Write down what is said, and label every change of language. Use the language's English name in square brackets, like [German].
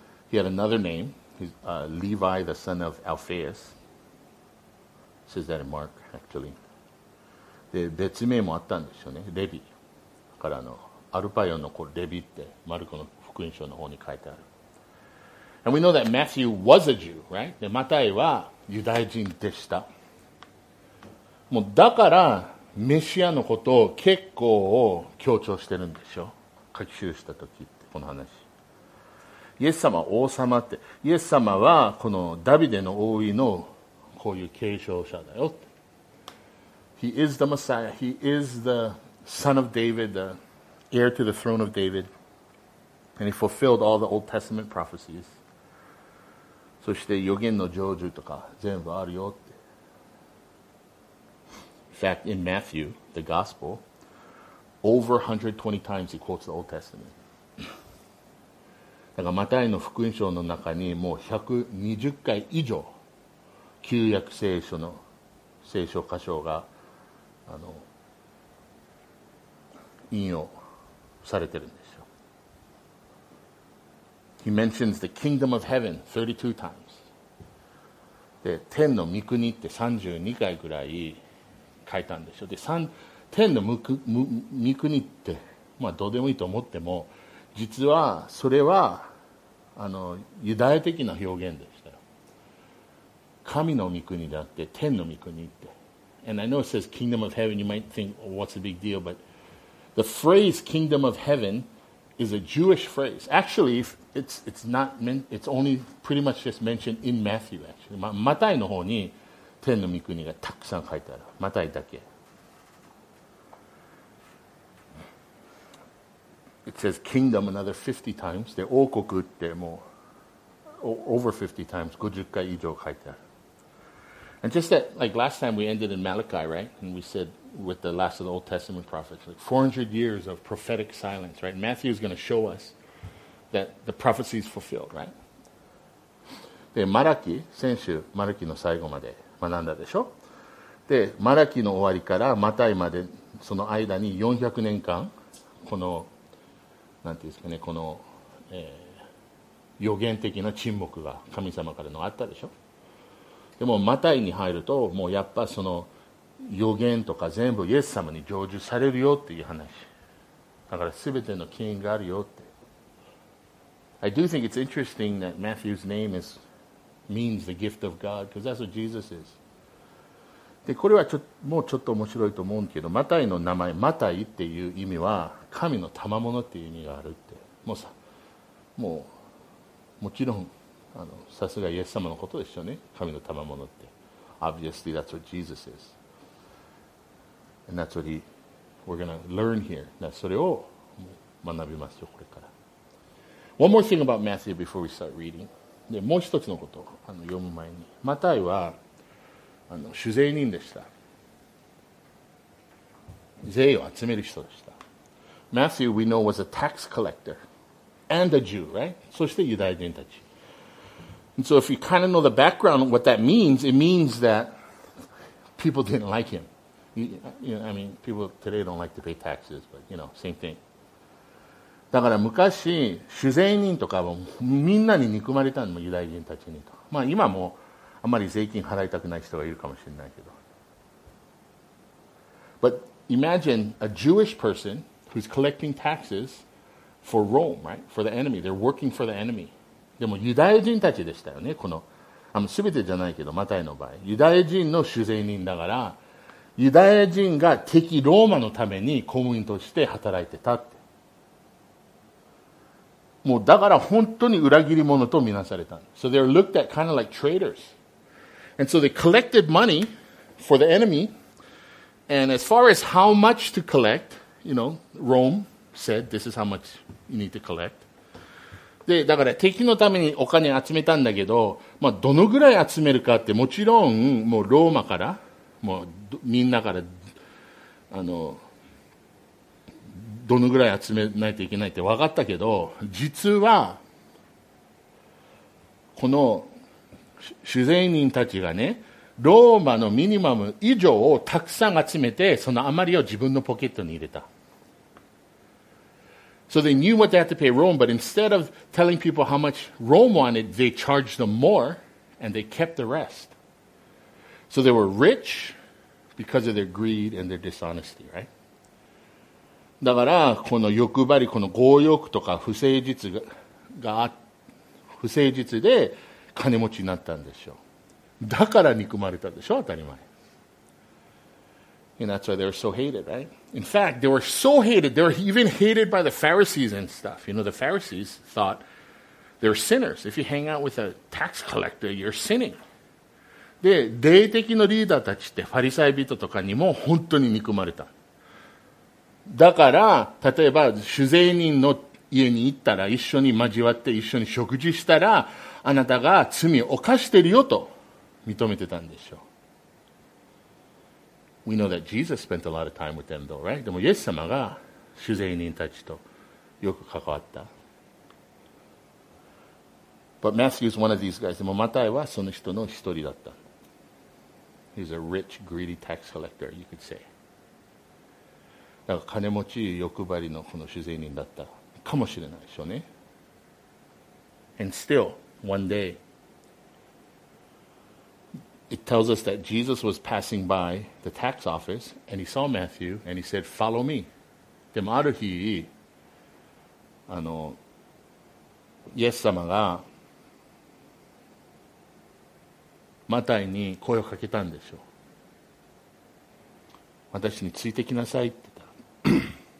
[English] He had another name. He's, Levi, the son of Alphaeus. Says that in Mark, actually. [Japanese] で、別名もあったんですよね。レビ。だからあの、アルパヨの子レビって、マルコの福音書の方に書いてある。 [English] And we know that Matthew was a Jew, right? [Japanese] で、マタイはユダヤ人でした。もうだからメシアのことを結構を強調してるんでしょ。書き記した時ってこの話。イエス様王様って、イエス様はこのダビデの王位のこういう継承者だよって。 [English] He is the Messiah. He is the son of David, the heir to the throne of David. And he fulfilled all the Old Testament prophecies. [Japanese] そして予言の成就とか全部あるよって。 [English] In fact, in Matthew, the Gospel, over 120 times he quotes the Old Testament. [Japanese] だからマタイの福音書の中にもう120回以上旧約聖書の聖書箇所が引用されてるんですよ。 [English] He mentions the kingdom of heaven 32 times. [Japanese] で、天の御国って32回ぐらい書いたんでしょ。で、天の御国って、まあどうでもいいと思っても、実はそれは、ユダヤ的な表現でしたよ。神の御国であって、天の御国って。 [English] And I know it says kingdom of heaven, you might think,、oh, what's the big deal, but the phrase kingdom of heaven is a Jewish phrase. Actually,It's only pretty much just mentioned in Matthew, actually. [Japanese] マタイの方に天の御国がたくさん書いてある。マタイだけ。 [English] It says kingdom another 50 times. [Japanese] で、王国ってもう [English] over 50 times, [Japanese] 50回以上書いてある。 [English] And just that, like last time we ended in Malachi, right? And we said with the last of the Old Testament prophets, like 400 years of prophetic silence, right? Matthew is going to show us. That the prophecy is fulfilled, right? [Japanese] で、マラキ、先週マラキの最後まで学んだでしょ。で、マラキの終わりからマタイまでその間に400年間このなんていうんですかね、この、予言的な沈黙が神様からのあったでしょ。でもマタイに入るともうやっぱその予言とか全部イエス様に成就されるよっていう話。だから全ての権威があるよって。 [English] I do think it's interesting that Matthew's name is means the gift of God, because that's what Jesus is. [Japanese] で、これはもうちょっと面白いと思うんけど、マタイの名前、マタイっていう意味は、神の賜物っていう意味があるって。もうさ、もう、もちろん、さすがイエス様のことでしょうね。神の賜物って。 [English] Obviously, that's what Jesus is. And that's what we're going to learn here. That's [Japanese] それを学びますよ、これから。 [English] One more thing about Matthew before we start reading. [Japanese] で、もう一つのことを読む前に。マタイは、主税人でした。税を集める人でした。 [English] Matthew, we know, was a tax collector and a Jew, right? [Japanese] そしてユダヤ人たち。 [English] And so if you kind of know the background, what that means, it means that people didn't like him. I mean, people today don't like to pay taxes, but you know, same thing. [Japanese] だから昔、主税人とかもみんなに憎まれたのもユダヤ人たちにと。まあ今も、あまり税金払いたくない人がいるかもしれないけど。 [English] But imagine a Jewish person who's collecting taxes for Rome, right? For the enemy. They're working for the enemy. [Japanese] でもユダヤ人たちでしたよね。この、全てじゃないけど、マタイの場合。ユダヤ人の主税人だから、ユダヤ人が敵ローマのために公務員として働いてたって。もうだから本当に裏切り者とみなされた。 [English] So they're looked at kind of like traitors. And so they collected money for the enemy. And as far as how much to collect, you know, Rome said, this is how much you need to collect. [Japanese] で、だから敵のためにお金集めたんだけど、まあどのぐらい集めるかってもちろん、もうローマから、もうみんなから、どのぐらい集めないといけないって分かったけど、実は、この、主税人たちがね、ローマのミニマム以上をたくさん集めて、その余りを自分のポケットに入れた。 [English] So they knew what they had to pay Rome, but instead of telling people how much Rome wanted, they charged them more and they kept the rest. So they were rich because of their greed and their dishonesty, right? [Japanese] だから、この欲張り、この強欲とか不誠実が、不誠実で、金持ちになったんでしょう。だから憎まれたでしょ、当たり前。 [English] And that's why they were so hated, right? In fact, they were so hated, they were even hated by the Pharisees and stuff. You know, the Pharisees thought they're sinners. If you hang out with a tax collector, you're sinning. [Japanese] で、霊的のリーダーたちって、ファリサイ人とかにも本当に憎まれた。だから、例えば、主税人の家に行ったら、一緒に交わって、一緒に食事したら、あなたが罪を犯しているよと認めてたんでしょう。 [English] We know that Jesus spent a lot of time with them though, right? [Japanese] でもイエス様が主税人たちとよく関わった。 [English] But Matthew is one of these guys. [Japanese] でもマタイはその人の一人だった。 [English] He's a rich, greedy tax collector, you could say. [Japanese] だから金持ち欲張りのこの主税人だったかもしれないでしょうね。 [English] And still,One day, it tells us that Jesus was passing by the tax office and he saw Matthew and he said, follow me. [Japanese] でもある日、イエス様がマタイに声をかけたんでしょう。私についてきなさいって言った。